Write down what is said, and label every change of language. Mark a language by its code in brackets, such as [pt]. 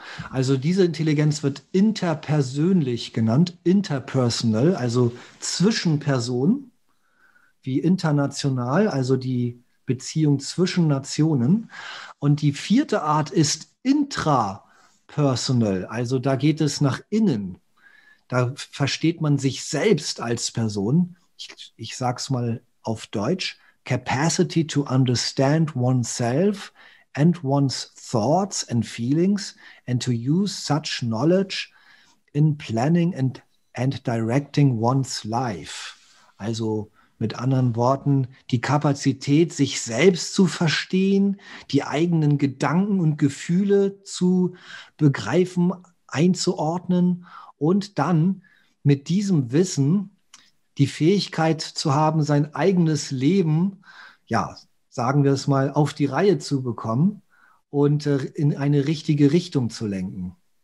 [de] Also diese Intelligenz wird interpersönlich genannt, interpersonal, also zwischen Personen, wie international, also die Beziehung zwischen Nationen. Und die vierte Art ist intrapersonal, also da geht es nach innen. Da versteht man sich selbst als Person. Ich sage es mal auf Deutsch, [en] capacity to understand oneself and one's thoughts and feelings and to use such knowledge in planning and directing one's life. [de] Also mit anderen Worten, die Kapazität, sich selbst zu verstehen, die eigenen Gedanken und Gefühle zu begreifen, einzuordnen und dann mit diesem Wissen die Fähigkeit zu haben, sein eigenes Leben, ja, sagen wir es mal, auf die Reihe zu bekommen und in eine richtige Richtung zu lenken.